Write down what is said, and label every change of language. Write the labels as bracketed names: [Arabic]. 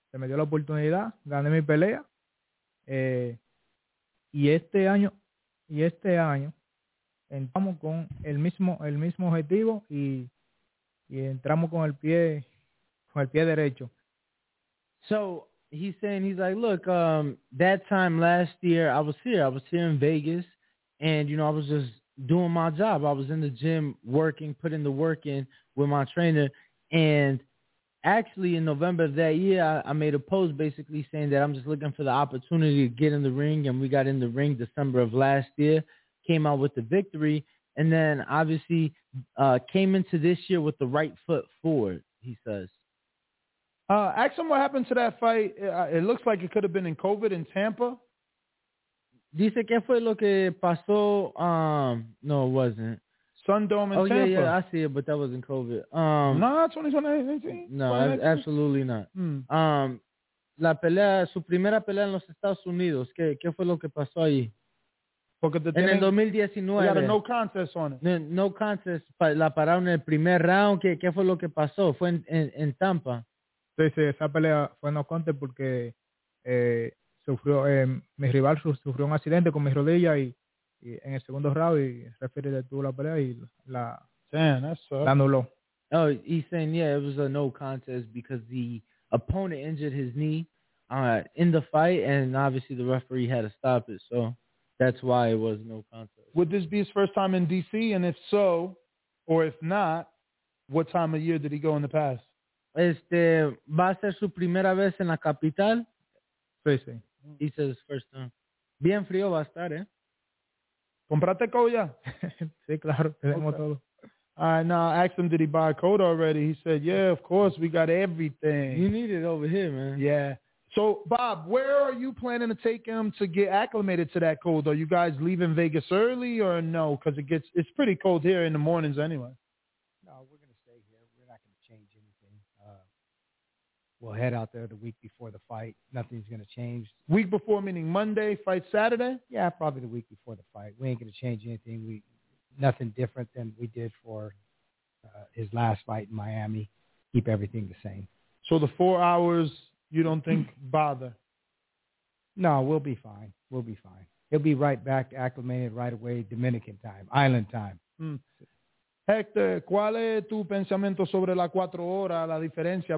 [Spanish] Se me dio la oportunidad, gané mi pelea y este año entramos con el mismo objetivo y entramos con el pie derecho. [English] So he's saying, he's like, look, that time last year I was here in Vegas, and you know, I was just doing my job. I was in the gym working, putting the work in with my trainer. And actually, in November of that year, I made a post basically saying that I'm just looking for the opportunity to get in the ring. And we got in the ring December of last year, came out with the victory, and then obviously came into this year with the right foot forward, he says. Ask him what happened to that fight. It looks like it could have been in COVID in Tampa. [Spanish] Dice que fue lo que pasó. No, [English] it wasn't. Sundome in Tampa. Oh, yeah, I see it, but that wasn't COVID. Nah, 2018. No, absolutely not. Mm. [Spanish] La pelea, su primera pelea en los Estados Unidos, ¿qué fue lo que pasó ahí? Porque en el 2019. [English] Had a no contest on it. [Spanish] No contest, la pararon en el primer round. ¿Qué fue lo que pasó? Fue en Tampa. Sí, esa pelea fue no contest porque mi rival sufrió un accidente con mi rodilla y en el segundo round, y referee detuvo la pelea y la anuló. [English] Oh, he's saying, yeah, it was a no contest because the opponent injured his knee in the fight, and obviously the referee had to stop it, so that's why it was no contest. Would this be his first time in D.C., and if so, or if not, what time of year did he go in the past? [Spanish] Va a ser su primera vez en la capital. Sí, sí. [English] He says his first time. [Spanish] Bien frío va a estar, ¿eh? ¿Compraste coat ya? Sí, claro. Tenemos todo. [English] All right, now I asked him, did he buy a coat already? He said, yeah, of course, we got everything. You need it over here, man. Yeah. So, Bob, where are you planning to take him to get acclimated to that cold? Are you guys leaving Vegas early or no? Because it's pretty cold here in the mornings anyway. No, we're going to stay here. We're not going to change anything. We'll head out there the week before the fight. Nothing's going to change. Week before meaning Monday, fight Saturday? Yeah, probably the week before the fight. We ain't going to change anything. Nothing different than we did for his last fight in Miami. Keep everything the same. So the 4 hours... You don't think bother? No, we'll be fine. We'll be fine. He'll be right back acclimated right away, Dominican time, island time. [Spanish] Hector, ¿cuál es tu pensamiento sobre las cuatro horas, la diferencia?